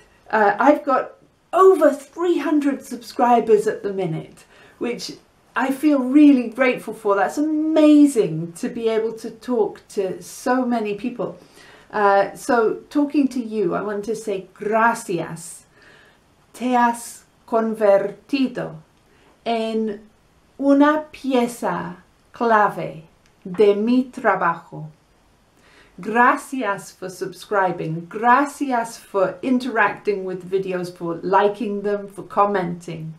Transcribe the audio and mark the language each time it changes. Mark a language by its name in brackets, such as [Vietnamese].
[English] I've got over 300 subscribers at the minute, which I feel really grateful for. That's amazing to be able to talk to so many people. So talking to you, I want to say gracias. [Spanish] Te has convertido en una pieza clave de mi trabajo. [English] Gracias for subscribing. Gracias for interacting with videos, for liking them, for commenting.